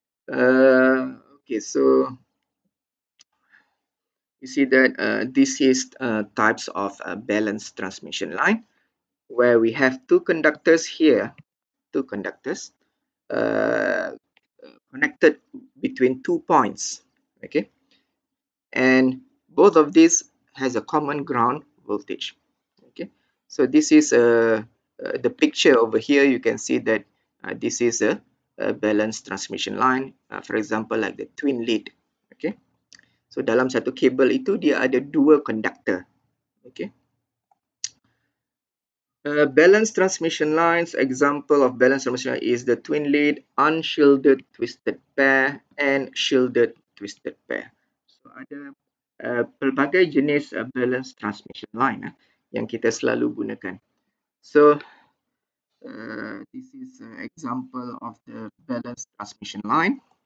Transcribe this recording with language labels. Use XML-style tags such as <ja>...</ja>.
<en>Okay, so you see that this is types of a balanced transmission line where we have two conductors here, two conductors connected between two points. Okay, and both of these has a common ground voltage. So this is the picture over here. You can see that this is a balanced transmission line. For example, like the twin lead. Okay.</en> <ms>So dalam satu kabel itu dia ada dua conductor.</ms> <en>Okay. Balanced transmission lines. Example of balanced transmission line is the twin lead, unshielded twisted pair, and shielded twisted pair.</en> <ms>So ada pelbagai jenis balanced transmission line. Yang kita selalu gunakan.</ms> <en>So, this is an example of the balanced transmission line.</en>